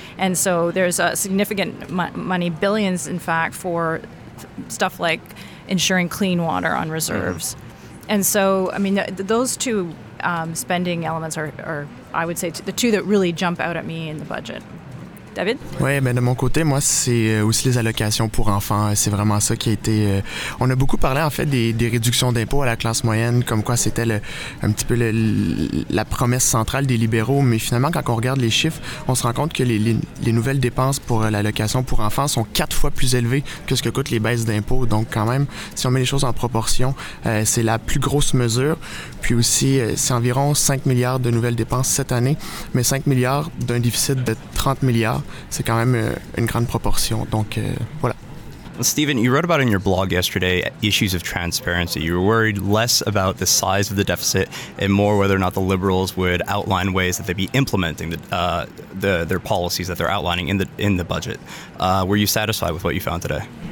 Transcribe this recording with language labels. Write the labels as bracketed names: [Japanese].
[English] And so there's a significant money, billions, in fact, for stuff like ensuring clean water on reserves. Mm-hmm. And so, I mean, those two spending elements are, I would say, the two that really jump out at me in the budget. [French] Oui, mais de mon côté, moi, c'est aussi les allocations pour enfants. C'est vraiment ça qui a été... On a beaucoup parlé, en fait, des réductions d'impôts à la classe moyenne, comme quoi c'était un petit peu la promesse centrale des libéraux. Mais finalement, quand on regarde les chiffres, on se rend compte que les nouvelles dépenses pour l'allocation pour enfants sont 4 fois plus élevées que ce que coûtent les baisses d'impôts. Donc, quand même, si on met les choses en proportion, c'est la plus grosse mesure. Puis aussi, c'est environ 5 milliards de nouvelles dépenses cette année, mais 5 milliards d'un déficit de 30 milliards. C'est quand même une grande proportion. Donc, voilà. [English] Stephen, you wrote about in your blog yesterday issues of transparency. You were worried less about the size of the deficit and more whether or not the Liberals would outline ways that they'd be implementing their policies that they're outlining in the budget. Were you satisfied with what you found today?